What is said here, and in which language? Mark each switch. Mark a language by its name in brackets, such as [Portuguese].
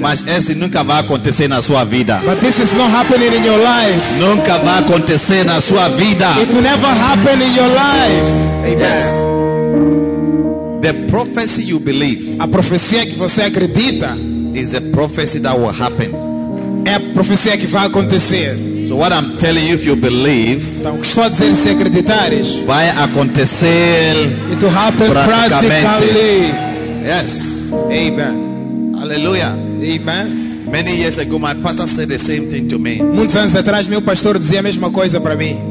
[Portuguese] Mas isso nunca vai acontecer na sua vida. [English] But this is not happening in your life. [Portuguese] Nunca vai acontecer na sua vida. [English] It will never happen in your life. Amen. Yes. The prophecy you believe, [Portuguese] a profecia que você acredita, [English] is a prophecy that will happen. [Portuguese] É a profecia que vai acontecer. [English] So what I'm telling you, if you believe, [Portuguese] então, o que estou a dizer, se acreditares, vai acontecer. [English] It will happen practically. Yes. Amen. Hallelujah. Amen. Many years ago, my pastor said the same thing to me. [Portuguese] Muitos anos atrás, meu pastor dizia a mesma coisa para mim.